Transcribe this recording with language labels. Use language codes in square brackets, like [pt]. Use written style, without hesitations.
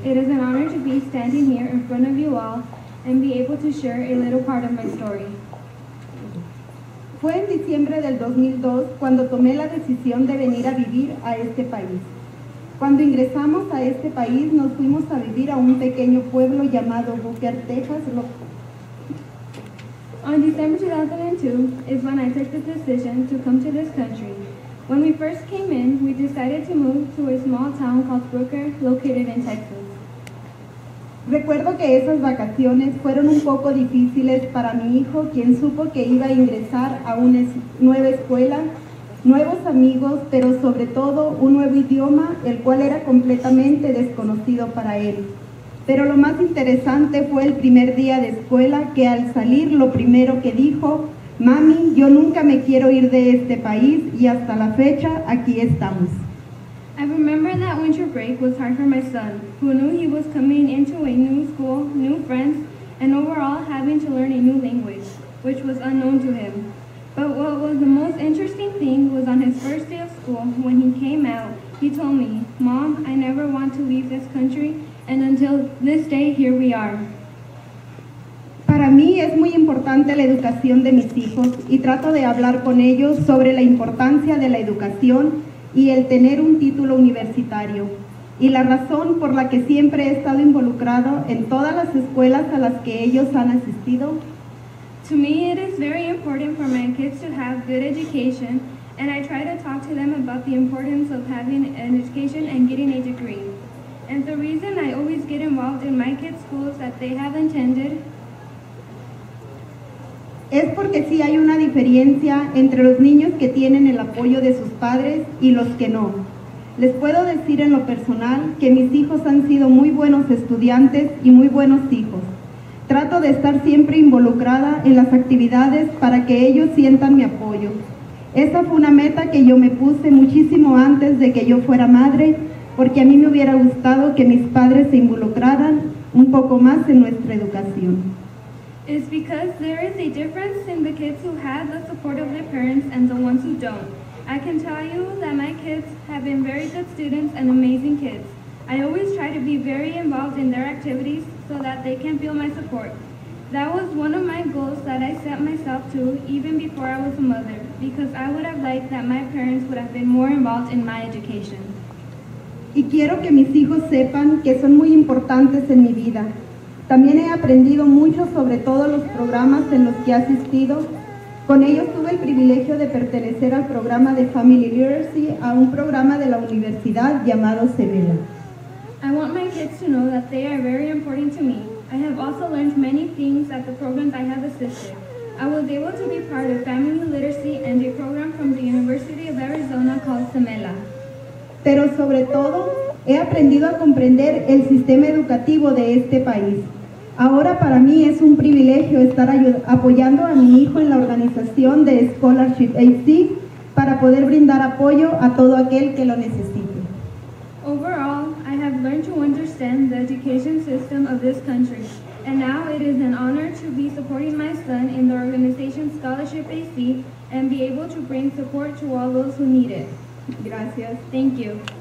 [en] It is an honor to be standing here in front of you all and be able to share a little part of my story. [es] Fue en diciembre del 2002 cuando tomé la decisión de venir a vivir a este país. Cuando ingresamos a este país, nos fuimos a vivir a un pequeño pueblo llamado Booker, Texas. [en] On December 2002 is when I took the decision to come to this country. When we first came in, we decided to move to a small town called Booker, located in Texas. [es] Recuerdo que esas vacaciones fueron un poco difíciles para mi hijo, quien supo que iba a ingresar a una nueva escuela, nuevos amigos, pero sobre todo un nuevo idioma, el cual era completamente desconocido para él. Pero lo más interesante fue el primer día de escuela, que al salir lo primero que dijo, "Mami, yo nunca me quiero ir de este país, y hasta la fecha, aquí estamos." [en] I remember that winter break was hard for my son, who knew he was coming into a new school, new friends, and overall having to learn a new language, which was unknown to him. But what was the most interesting thing was on his first day of school, when he came out, he told me, "Mom, I never want to leave this country, and until this day, here we are." [es] Para mí es muy importante la educación de mis hijos, y trato de hablar con ellos sobre la importancia de la educación y el tener un título universitario. Y la razón por la que siempre he estado involucrado en todas las escuelas a las que ellos han asistido. [en] To me, it is very important for my kids to have good education, and I try to talk to them about the importance of having an education and getting a degree. And the reason I always get involved in my kids' schools that they have attended [es] es porque sí hay una diferencia entre los niños que tienen el apoyo de sus padres y los que no. Les puedo decir en lo personal que mis hijos han sido muy buenos estudiantes y muy buenos hijos. Trato de estar siempre involucrada en las actividades para que ellos sientan mi apoyo. Esa fue una meta que yo me puse muchísimo antes de que yo fuera madre, porque a mí me hubiera gustado que mis padres se involucraran un poco más en nuestra educación. [en] It's because there is a difference in the kids who have the support of their parents and the ones who don't. I can tell you that my kids have been very good students and amazing kids. I always try to be very involved in their activities so that they can feel my support. That was one of my goals that I set myself to even before I was a mother, because I would have liked that my parents would have been more involved in my education. [es] Y quiero que mis hijos sepan que son muy importantes en mi vida. También he aprendido mucho sobre todos los programas en los que he asistido. Con ellos tuve el privilegio de pertenecer al programa de Family Literacy, a un programa de la universidad llamado CEMELA. [en] I want my kids to know that they are very important to me. I have also learned many things at the programs I have assisted. I was able to be part of Family Literacy and a program from the University of Arizona called CEMELA. [es] Pero sobre todo, he aprendido a comprender el sistema educativo de este país. Ahora para mí es un privilegio estar apoyando a mi hijo en la organización de Scholarship AC para poder brindar apoyo a todo aquel que lo necesite. [en] Overall, I have learned to understand the education system of this country, and now it is an honor to be supporting my son in the organization Scholarship AC and be able to bring support to all those who need it. [es] Gracias. [en] Thank you.